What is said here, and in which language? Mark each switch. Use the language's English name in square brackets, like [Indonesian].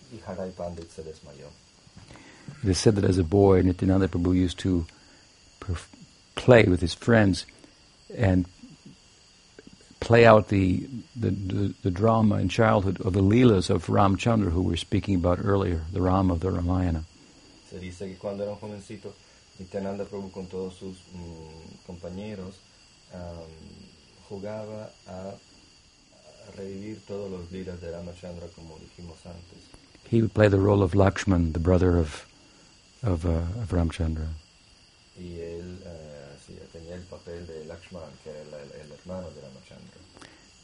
[English] It is said that as a boy, Nityananda Prabhu used to play with his friends and play out the drama in childhood of the leelas of Ramchandra, who we were speaking about earlier, the Rama of the Ramayana. [Spanish] Se dice que cuando era un jovencito, Nityananda Prabhu con todos sus compañeros jugaba a revivir todos los lilas de Ramachandra, como dijimos antes. [English] He would play the role of Lakshman, the brother of Ramchandra. [Spanish] Y él tenía el papel de Lakshman, que era el hermano de Ramachandra.